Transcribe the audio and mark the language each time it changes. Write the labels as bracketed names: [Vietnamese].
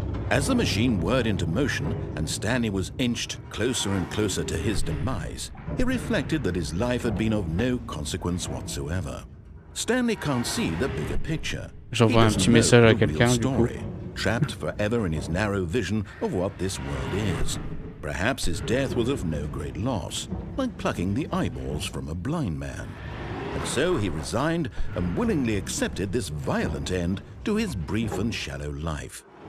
[English] As the machine whirred into motion, and Stanley was inched closer and closer to his demise, he reflected that his life had been of no consequence whatsoever. Stanley can't see the bigger picture. [French] J'envoie un petit message à quelqu'un, du coup. [English] Trapped forever in his narrow vision of what this world is. Perhaps his death was of no great loss, like plucking the eyeballs from a blind man. And so he resigned and willingly accepted this violent end to his brief and shallow life.